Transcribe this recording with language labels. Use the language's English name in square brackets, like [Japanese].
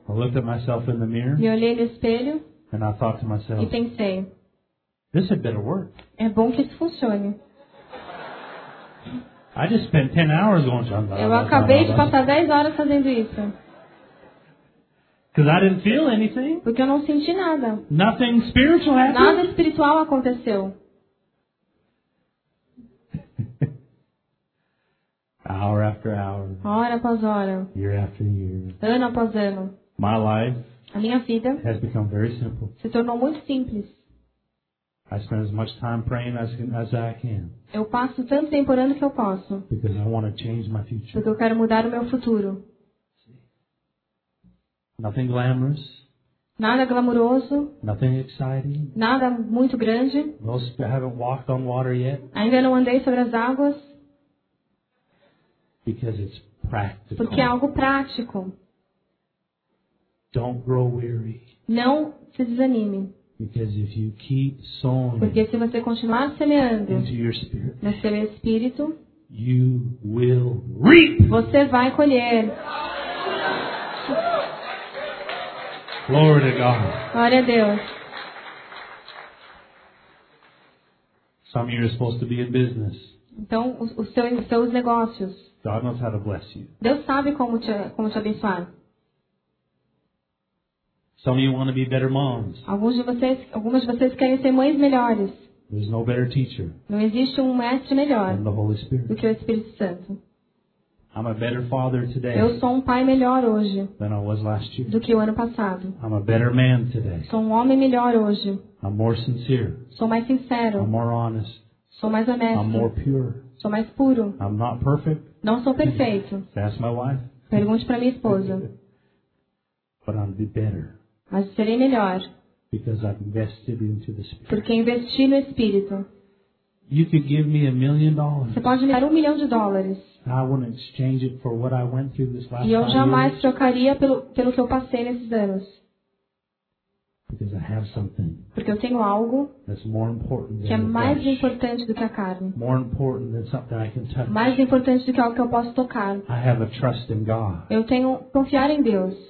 [English] I looked at myself in the mirror. [Portuguese] Me olhei no espelho. [English] And I thought to myself. [Portuguese] E pensei. [English] This had better work. [Portuguese] É bom que isso funcione. [English] I just spent 10 hours going to [Portuguese] Eu acabei de passar 10 horas fazendo isso. [English] Because I didn't feel anything. [Portuguese] Porque eu não senti nada. [English] Nothing spiritual happened. [Portuguese] Nada espiritual aconteceu. [English] Hour after hour. [Portuguese] Hora após hora. [English] Year after year. [Portuguese] Ano após ano. [English] My life. [Portuguese] A minha vida. [English] Has become very simple. [Portuguese] Se tornou muito simples. [English] I spend as much time praying as I can. [Portuguese] Eu passo tanto tempo orando que eu posso. [English] Because I want to change my future. [Portuguese] Porque eu quero mudar o meu futuro. [English] Nothing glamorous. [Portuguese] Nada glamouroso. [English] Nothing exciting. [Portuguese] Nada muito grande. [English] Most haven't walked on water yet. [Portuguese] Ainda não andei sobre as águas. [English] Because it's practical. [Portuguese] Porque é algo prático. [English] Don't grow weary. [Portuguese] Não se desanime. [English] Because if you keep sowing. [Portuguese] Porque se você continuar semeando. [English] Into your spirit. [Portuguese] No seu espírito. [English] You will reap. [Portuguese] Você vai colher. [English] Glory to God. [Portuguese] Glória a Deus. [English] Some of you are supposed to be in business. [Portuguese] Então, os seus negócios. [English] God knows how to bless you. [Portuguese] Deus sabe como te abençoar. [English] Some of you want to be better moms. [Portuguese] Algumas de vocês querem ser mães melhores. [English] There's no better teacher. [Portuguese] Não existe mestre melhor. [English] Than the Holy Spirit. [Portuguese] Do que o Espírito Santo. [English] I'm a better father today. [Portuguese] Eu sou pai melhor hoje. [English] Than I was last year. [Portuguese] Do que o ano passado. [English] I'm a better man today. [Portuguese] Sou homem melhor hoje. [English] I'm more sincere. [Portuguese] Sou mais sincero. [English] I'm more honest. [Portuguese] Sou mais honesto. [English] I'm more pure. [Portuguese] Sou mais puro. [English] I'm not perfect. [Portuguese] Não sou perfeito. [English] Ask my wife. [Portuguese] Pergunte para minha esposa. [English] But I'll be better. [Portuguese] Mas serei melhor. [English] Because I've invested into the spirit. [Portuguese] Porque investi no espírito. [English] You could give me $1,000,000. [Portuguese] Você pode me dar $1,000,000. [English] I wouldn't exchange it for what I went through this last. [Portuguese] E eu jamais trocaria pelo que eu passei nesses anos. [English] Because I have something. [Portuguese] Porque eu tenho algo. [English] That's more important than [Portuguese] que é [English] the [Portuguese] mais [English] flesh. [Portuguese] Importante do que a carne. [English] More important than something I can touch. [Portuguese] Mais importante do que algo que eu posso tocar. [English] I have a trust in God. [Portuguese] Eu tenho confiar em Deus.